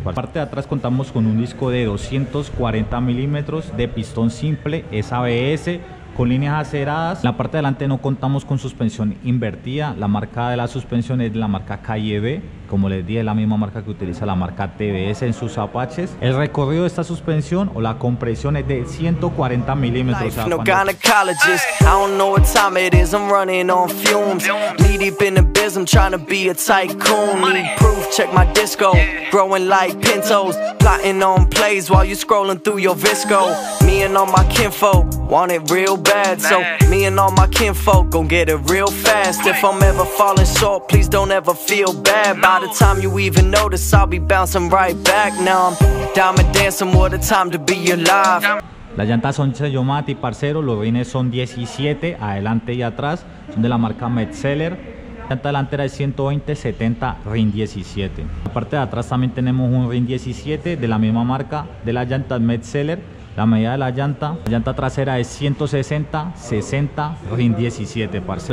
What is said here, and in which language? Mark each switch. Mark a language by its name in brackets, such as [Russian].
[Spanish] Para la parte de atrás contamos con un disco de 240 milímetros de pistón simple, es ABS, con líneas aceradas. En la parte de adelante no contamos con suspensión invertida, la marca de la suspensión es de la marca KYB, como les dije, es la misma marca que utiliza la marca TBS en sus Apaches. El recorrido de esta suspensión o la compresión es de 140 milímetros. [English] No gynecologist, I don't know what time it is, I'm running on fumes. Knee deep in the biz, I'm trying to be a tycoon. Need proof, check my disco, growing like pintos. Plotting on plays while you scrolling through your visco. Me and all my kinfolk want it real bad, so me and all my kinfolk gon' get it real fast. If I'm ever falling short, please don't ever feel bad. By the time you even notice, I'll be bouncing right back. Now I'm diamond dancing, what a time to be alive. [Spanish] Las llantas son sello Mati, parcero. Los rines son 17, adelante y atrás. Son de la marca Metzeler. La llanta delantera es 120-70 rin 17. La parte de atrás también tenemos un rin 17 de la misma marca de la llanta Metzeler. La medida de la llanta trasera es 160-60 rin 17, parce.